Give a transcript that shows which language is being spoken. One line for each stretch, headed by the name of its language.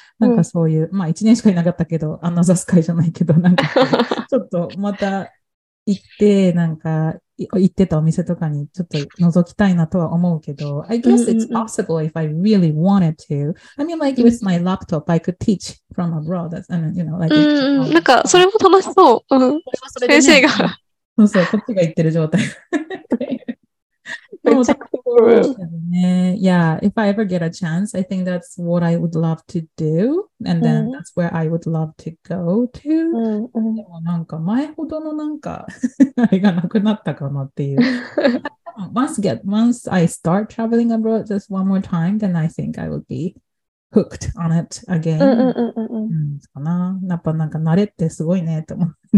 Japanese: なんかそういう、まあ1年しかいなかったけど、アナザースカイじゃないけど、なんかちょっとまた行って、なんか行ってたお店とかにちょっと覗きたいなとは思うけど、
English: I guess it's possible if I really wanted to. I mean, like with my laptop, I could teach from abroad. And, you know, like,
Japanese: なんかそれも楽しそう。先生が。そうそう、こっちが行ってる状態。めっちゃ cool.
English: Yeah, if I ever get a chance, I think that's what I would love to do. And then that's where I would love to go to.
Japanese: でもなんか前ほどのなんかあれがなくなったかなっていう。
English: Once I start traveling abroad just one more time, then I think I would be hooked on it again.
Japanese: そうかな。やっぱなんか慣れってすごいねと思う。